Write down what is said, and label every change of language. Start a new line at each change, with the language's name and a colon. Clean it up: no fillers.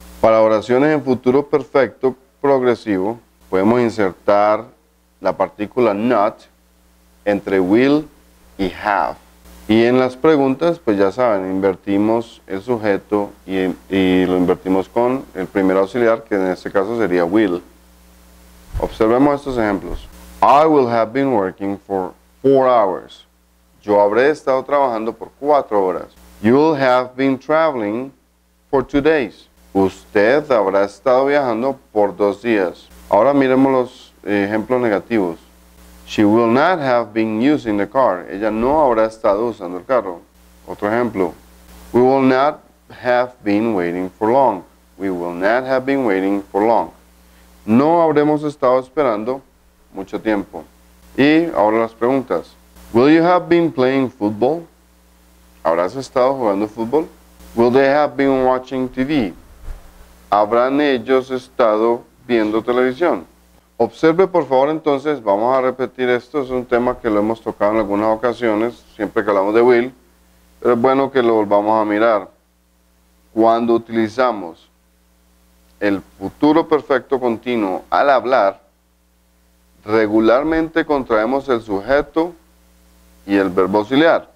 Spanish: Para oraciones en futuro perfecto progresivo, podemos insertar la partícula not entre will y have. Y en las preguntas, pues ya saben, invertimos el sujeto y lo invertimos con el primer auxiliar, que en este caso sería will. Observemos estos ejemplos.
English: I will have been working for 4 hours.
Spanish: Yo habré estado trabajando por 4 horas.
English: You will have been traveling for 2 days.
Spanish: Usted habrá estado viajando por 2 días. Ahora miremos los ejemplos negativos.
English: She will not have been using the car.
Spanish: Ella no habrá estado usando el carro. Otro ejemplo.
English: We will not have been waiting for long. We will not have been waiting for long.
Spanish: No habremos estado esperando mucho tiempo. Y ahora las preguntas.
English: Will you have been playing football?
Spanish: ¿Habrás estado jugando fútbol?
English: Will they have been watching TV?
Spanish: ¿Habrán ellos estado viendo televisión? Observe, por favor, entonces, vamos a repetir esto. Es un tema que lo hemos tocado en algunas ocasiones, siempre que hablamos de will, pero es bueno que lo volvamos a mirar. Cuando utilizamos el futuro perfecto continuo al hablar, regularmente contraemos el sujeto y el verbo auxiliar.